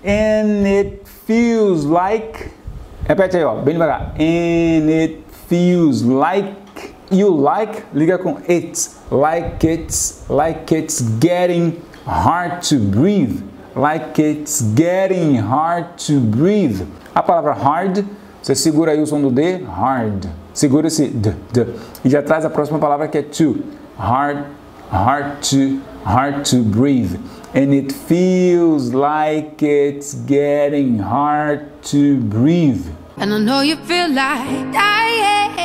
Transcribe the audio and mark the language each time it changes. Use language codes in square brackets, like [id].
[en] And it feels like. [pt] Repete aí, ó, bem devagar. [en] And it feels like you like, [pt] liga com [en] it. Like it's getting hard to breathe. Like it's getting hard to breathe. [pt] A palavra hard, você segura aí o som do D, hard. Segura esse D, D. E já traz a próxima palavra que é to. [en] Hard, hard to breathe. And it feels like it's getting hard to breathe. And I know you feel like dying.